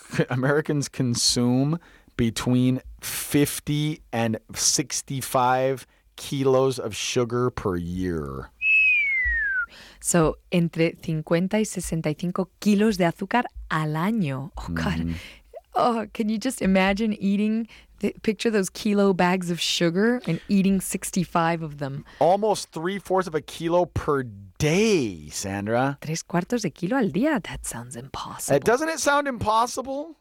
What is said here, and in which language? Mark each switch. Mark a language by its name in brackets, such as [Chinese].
[English] Americans consume between 50 and 65 kilos of sugar per year. [Spanish] So, entre 50 y 65 kilos de azúcar al año. [English] Oh, God. Oh, can you just imagine eating, picture those kilo bags of sugar and eating 65 of them. Almost 3/4 of a kilo per day, Sandra. [Spanish] 3/4 de kilo al día. [English] That sounds impossible. Doesn't it sound impossible?